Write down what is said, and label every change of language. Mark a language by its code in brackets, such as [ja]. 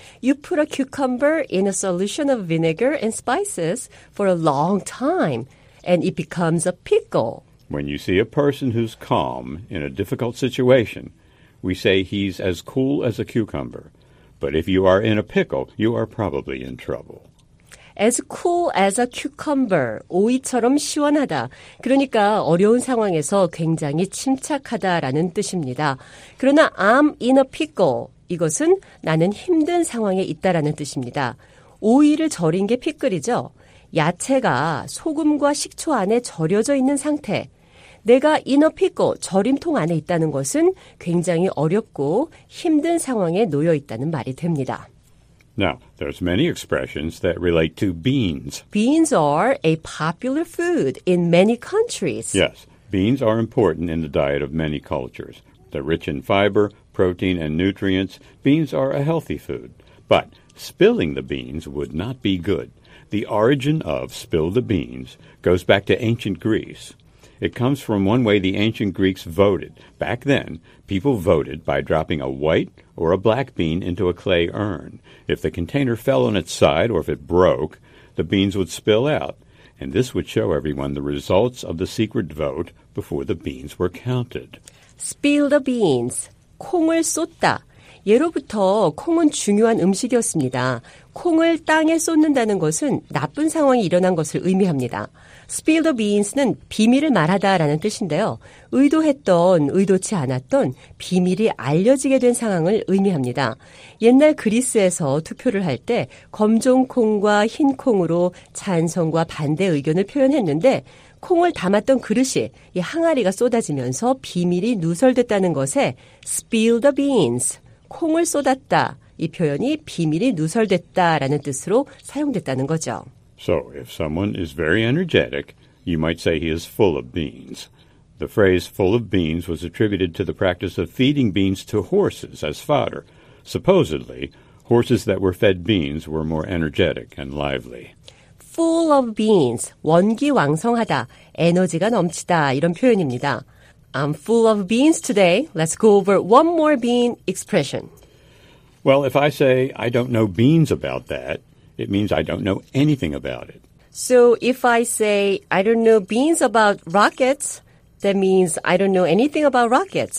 [en] You put a cucumber in a solution of vinegar and spices for a long time, and it becomes a pickle. When you see a person who's calm in a difficult situation, we say he's as cool as a cucumber. But if you are in a pickle, you are probably in trouble. As cool as a cucumber, [ko] 오이처럼 시원하다. 그러니까 어려운 상황에서 굉장히 침착하다라는 뜻입니다. 그러나 [en] I'm in a pickle, [ko] 이것은 나는 힘든 상황에 있다라는 뜻입니다. 오이를 절인 게 피클이죠. 야채가 소금과 식초 안에 절여져 있는 상태. 내가 [en] in a pickle, [ko] 절임통 안에 있다는 것은 굉장히 어렵고 힘든 상황에 놓여 있다는 말이 됩니다. [en] Now, there's many expressions that relate to beans. Beans are a popular food in many countries. Yes, beans are important in the diet of many cultures. They're rich in fiber, protein, and nutrients. Beans are a healthy food. But spilling the beans would not be good. The origin of spill the beans goes back to ancient Greece. It comes from one way the ancient Greeks voted. Back then, people voted by dropping a white or a black bean into a clay urn. If the container fell on its side or if it broke, the beans would spill out. And this would show everyone the results of the secret vote before the beans were counted. Spill the beans. [ko] 콩을 쏟다. 예로부터 콩은 중요한 음식이었습니다. 콩을 땅에 쏟는다는 것은 나쁜 상황이 일어난 것을 의미합니다. [en] Spill the beans [ko] 는 비밀을 말하다라는 뜻인데요. 의도했던, 의도치 않았던 비밀이 알려지게 된 상황을 의미합니다. 옛날 그리스에서 투표를 할 때 검정콩과 흰콩으로 찬성과 반대 의견을 표현했는데 콩을 담았던 그릇이 이 항아리가 쏟아지면서 비밀이 누설됐다는 것에 [en] spill the beans, [ko] 콩을 쏟았다. 이 표현이 비밀이 누설됐다라는 뜻으로 사용됐다는 거죠. [en] So, if someone is very energetic, you might say he is full of beans. The phrase full of beans was attributed to the practice of feeding beans to horses as fodder. Supposedly, horses that were fed beans were more energetic and lively. Full of beans, [ko] 원기왕성하다, 에너지가 넘치다, 이런 표현입니다. [en] I'm full of beans today. Let's go over one more bean expression. Well, if I say, I don't know beans about that, it means I don't know anything about it. So if I say, I don't know beans about rockets, that means I don't know anything about rockets.